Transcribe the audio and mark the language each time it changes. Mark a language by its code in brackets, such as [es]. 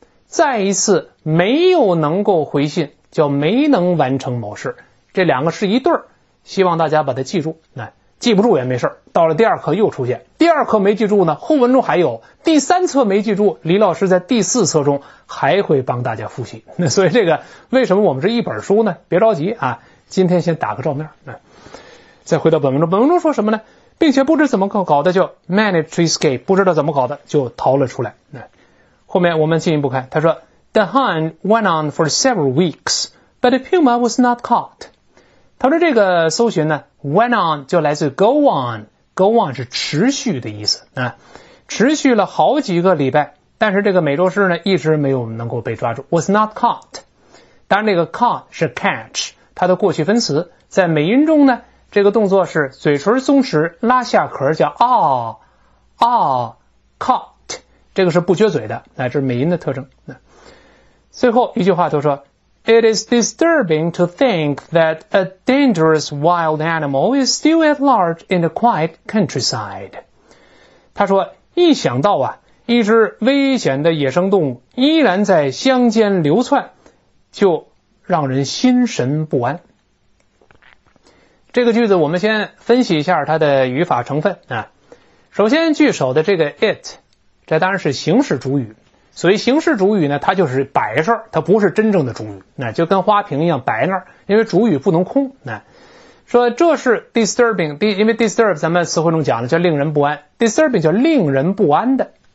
[zh] 再一次没有能够回信叫没能完成某事，这两个是一对，希望大家把它记住，记不住也没事，到了第二课又出现，第二课没记住呢，后文中还有，第三册没记住，李老师在第四册中还会帮大家复习。那所以这个为什么我们是一本书呢，别着急啊，今天先打个照面，再回到本文中，本文中说什么呢，并且不知怎么搞的就 [en] manage to escape， [zh] 不知道怎么搞的就逃了出来。 [en] 后面我们进一步看，他说 The hunt went on for several weeks, but the puma was not caught. [zh] 他说这个搜寻呢 went on 就来自 go on， go on 是持续的意思，持续了好几个礼拜，但是这个美洲狮呢一直没有能够被抓住， [en] was not caught。 [zh] 当然这个 caught 是 catch， 它的过去分词，在美音中呢这个动作是嘴唇松弛拉下壳叫 caught，这个是不撅嘴的，乃至美音的特征。 [en] 最后一句话就说 It is disturbing to think that a dangerous wild animal is still at large in the quiet countryside. [zh] 他说一想到啊，一只危险的野生动物依然在乡间流窜，就让人心神不安。这个句子我们先分析一下它的语法成分啊。首先句首的这个 it，这当然是形式主语，所谓形式主语呢它就是摆设，它不是真正的主语，那就跟花瓶一样摆那儿，因为主语不能空，说这是 disturbing， 因为 disturb 咱们词汇中讲的叫令人不安， disturbing 叫令人不安的，